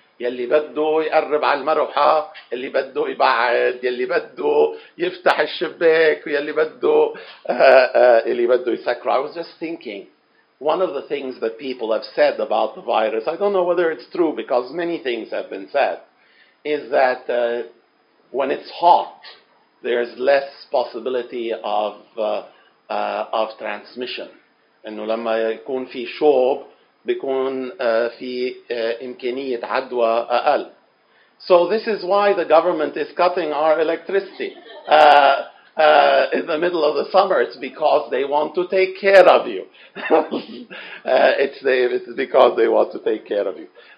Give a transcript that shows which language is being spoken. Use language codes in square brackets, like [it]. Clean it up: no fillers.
[ar] يلي بده يقرب على المروحة يلي بده يبعد يلي بده يفتح الشباك يلي بده يلي بده يسكر. [en] I was just thinking, one of the things that people have said about the virus, I don't know whether it's true because many things have been said, is that when it's hot, there's less possibility of transmission. [ar] إنه لما يكون في شوب بيكون في إمكانية عدوى أقل. [en] So this is why the government is cutting our electricity in the middle of the summer. It's because they want to take care of you. it's because they want to take care of you.